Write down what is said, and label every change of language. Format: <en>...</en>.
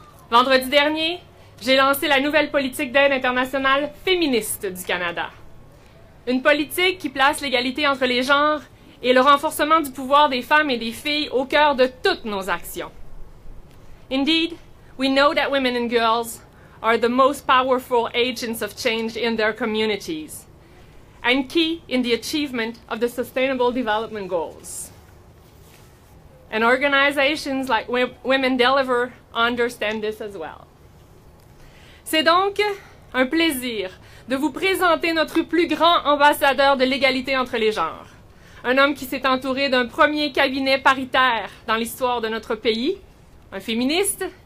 <fr>Vendredi dernier, j'ai lancé la nouvelle politique d'aide internationale féministe du Canada. Une politique qui place l'égalité entre les genres et le renforcement du pouvoir des femmes et des filles au cœur de toutes nos actions.</fr> <en>Indeed, we know that women and girls are the most powerful agents of change in their communities and key in the achievement of the Sustainable Development Goals. And organizations like Women Deliver understand this as well.</en> <fr>C'est donc un plaisir de vous présenter notre plus grand ambassadeur de l'égalité entre les genres, un homme qui s'est entouré d'un premier cabinet paritaire dans l'histoire de notre pays, un féministe.</fr>